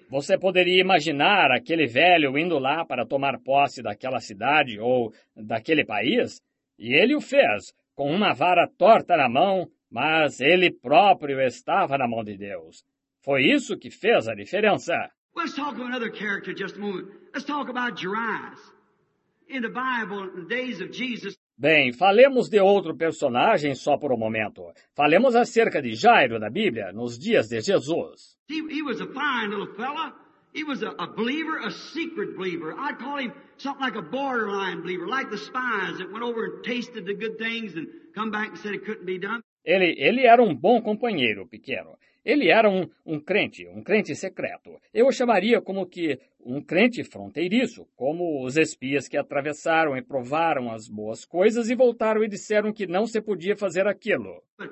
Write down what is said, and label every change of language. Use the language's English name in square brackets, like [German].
[Portuguese] Você poderia imaginar aquele velho indo lá para tomar posse daquela cidade ou daquele país? E ele o fez, com uma vara torta na mão, mas ele próprio estava na mão de Deus. Foi isso que fez a diferença. [English] Let's talk about another character just a moment. Let's talk about Jairus. In the Bible, in the days of Jesus. [Portuguese] Bem, falemos de outro personagem só por um momento. Falemos acerca de Jairo na Bíblia, nos dias de Jesus. [English] He was a fine little fella. He was a believer, a secret believer. I'd call him something like a borderline believer, like the spies that went over and tasted the good things and come back and said it couldn't be done. [Portuguese] Ele era um bom companheiro, pequeno. Ele era um crente secreto. Eu o chamaria como que um crente fronteiriço, como os espias que atravessaram e provaram as boas coisas e voltaram e disseram que não se podia fazer aquilo.